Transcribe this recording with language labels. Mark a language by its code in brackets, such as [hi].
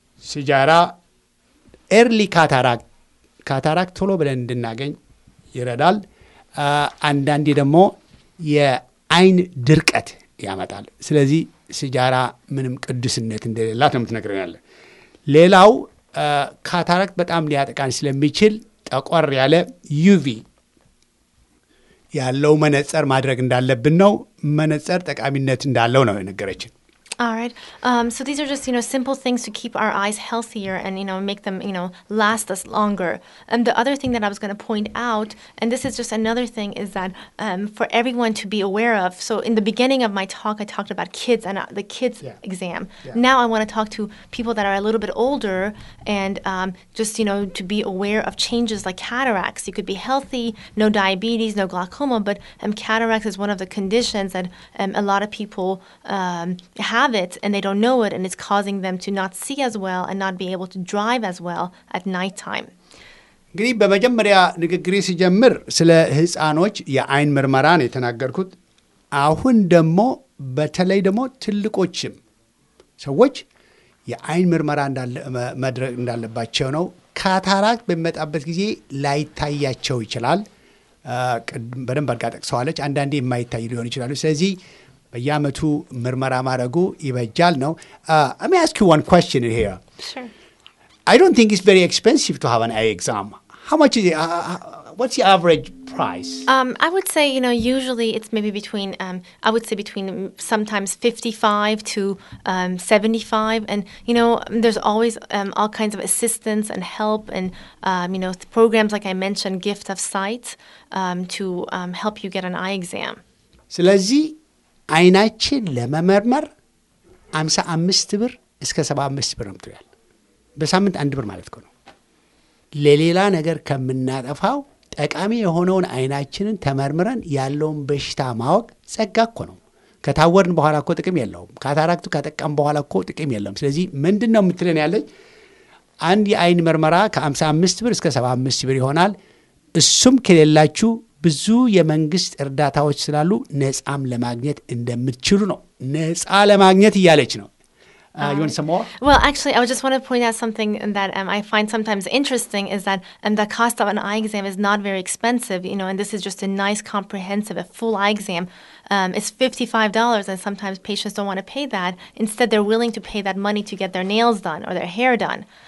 [am] ሲጃራ ኤርሊ ካታራክ ቶሎ ብለን እንድናገኝ ይረዳል። አንዳንዴ ደግሞ የአይን ድርቀት ያመጣል። ስለዚህ ሲጃራ ምንም ቅዱስነት እንደሌላት ነው የምትነግረናል። ሌላው ካታራክ በጣም ሊያጠቃን ስለሚችል ጠቆር ያለ ዩቪ ያለው መነጽር ማድረግ እንዳለብን ነው። መነጽር ጠቃሚነት እንዳለው ነው የነገረችን። [en] All right. So these are just, simple things to keep our eyes healthier and, make them, last us longer. And the other thing that I was going to point out, and this is just another thing, is that for everyone to be aware of. So in the beginning of my talk, I talked about kids and the kids exam. Yeah. Now I want to talk to people that are a little bit older and to be aware of changes like cataracts. You could be healthy, no diabetes, no glaucoma, but cataracts is one of the conditions that a lot of people have it and they don't know it, and it's causing them to not see as well and not be able to drive as well at night time. [am] ግሪ በመጀመሪያ ንግግሪ ሲጀምር ስለ ህፃኖች የአይን ምርመራ ነው የተናገርኩት። አሁን ደግሞ በተለይ ደግሞ ትልቆችም ሰዎች የአይን ምርመራ እንዳለባቸው ነው። ካታራክት በመጣበት ጊዜ ላይታያቸው ይችላል። በደንብ አድርጋ ጠቅሰዋለች። አንዳንዴ የማይታይ ሊሆን ይችላሉ። ስለዚህ በየአመቱ ምርመራ ማድረጉ ይበጃል ነው። [en] Let me ask you one question here. Sure. I don't think it's very expensive to have an eye exam. How much is it? What's the average price? I would say, you know, usually it's maybe between, I would say between sometimes 55 to 75. And, you know, there's always all kinds of assistance and help and, you know, programs like I mentioned, Gift of Sight, to help you get an eye exam. So let's see. [am] አይናችን ለመመርመር 55 ብር እስከ 75 ብር ነው ትያል። በሳምንት 1 ብር ማለት ነው። ለሌላ ነገር ከመናጠፋው ጠቃሚ የሆነውን አይናችንን ተመርምረን ያለውን በሽታ ማወቅ ጸጋ እኮ ነው። ከታወርን በኋላ እኮ ጥቅም የለውም። ካታራክቱ ከተቀም በኋላ እኮ ጥቅም የለውም። ስለዚህ ምንድነው የምትለኝ ያለኝ? አንድ የአይን መርመራ ከ55 ብር እስከ 75 ብር ይሆናል። እሱም ከሌላችሁ ብዙ የመንግስት እርዳታዎች ስላሉ ነጻም ለማግኘት እንደምትችሉ ነው። ነጻ ለማግኘት ይያለች ነው። [en] You want some more? Well, actually, I just want to point out something that I find sometimes interesting is that the cost of an eye exam is not very expensive, you know, and this is just a nice comprehensive, a full eye exam. It's $55, and sometimes patients don't want to pay that. Instead, they're willing to pay that money to get their nails done or their hair done.